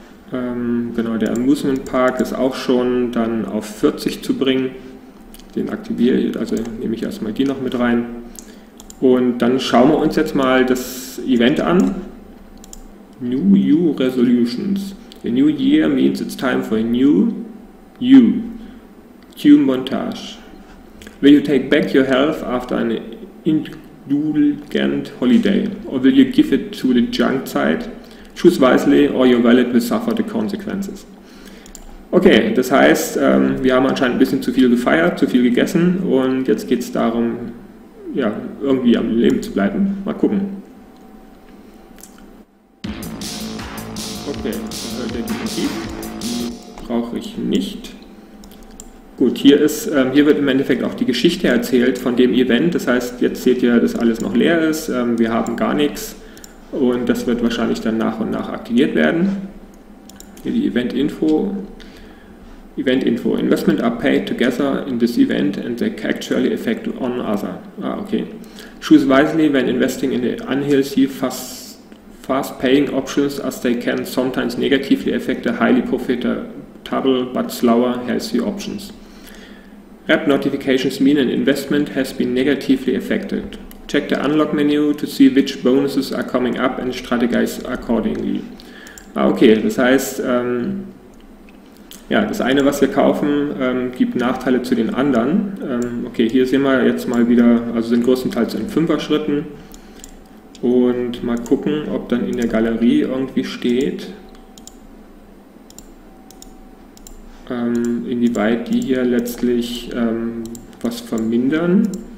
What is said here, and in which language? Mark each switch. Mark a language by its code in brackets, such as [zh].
[de] Genau, der Amusement Park ist auch schon dann auf 40 zu bringen. Den aktiviere ich, also nehme ich erstmal die noch mit rein. Und dann schauen wir uns jetzt mal das Event an. [en] New You Resolutions. A new year means it's time for a new you. Cue Montage. Will you take back your health after an indulgent holiday? Or will you give it to the junk side? Choose wisely or your wallet will suffer the consequences. [de] Okay, das heißt, wir haben anscheinend ein bisschen zu viel gefeiert, zu viel gegessen und jetzt geht es darum, ja, irgendwie am Leben zu bleiben. Mal gucken. Okay, da hört der Definitiv. Brauche ich nicht. Gut, hier ist, hier wird im Endeffekt auch die Geschichte erzählt von dem Event. Das heißt, jetzt seht ihr, dass alles noch leer ist. Wir haben gar nichts. Und das wird wahrscheinlich dann nach und nach aktiviert werden. Hier die Event-Info. Event-Info. [en] Investment are paid together in this event and they actually affect on other. Ah, okay. Choose wisely when investing in the unhealthy fast-paying options as they can sometimes negatively affect the highly profitable but slower healthy options. Rep notifications mean an investment has been negatively affected. Check the unlock menu to see which bonuses are coming up and strategize accordingly. [de] Ah, okay, das heißt, ja, das eine, was wir kaufen, gibt Nachteile zu den anderen. Okay, hier sehen wir jetzt mal wieder, also sind größtenteils in 5er Schritten. Und mal gucken, ob dann in der Galerie irgendwie steht, inwieweit die hier letztlich was vermindern.